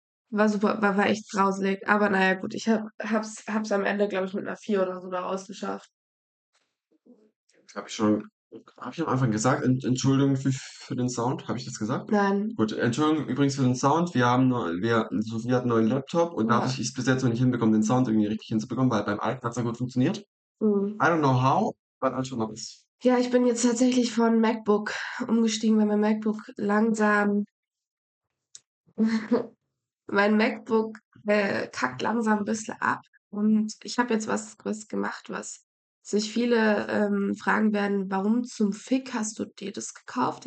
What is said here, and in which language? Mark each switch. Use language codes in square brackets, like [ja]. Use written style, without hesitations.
[de] War super, war echt grauselig. Aber naja, gut, ich hab's am Ende, glaube ich, mit einer 4 oder so da rausgeschafft. Hab ich am Anfang gesagt, Entschuldigung für den Sound, habe ich das gesagt? Nein. Gut, Entschuldigung übrigens für den Sound, Sophie hat einen neuen Laptop und dadurch Ja. ist es bis jetzt noch nicht hinbekommen, den Sound irgendwie richtig hinzubekommen, weil beim alten hat es ja gut funktioniert. [en] I don't know how, but I'll show this. [de] Ja, ich bin jetzt tatsächlich von MacBook umgestiegen, weil mein MacBook langsam. Mein MacBook kackt langsam ein bisschen ab. Und ich habe jetzt was gemacht, was sich viele fragen werden: Warum zum Fick hast du dir das gekauft?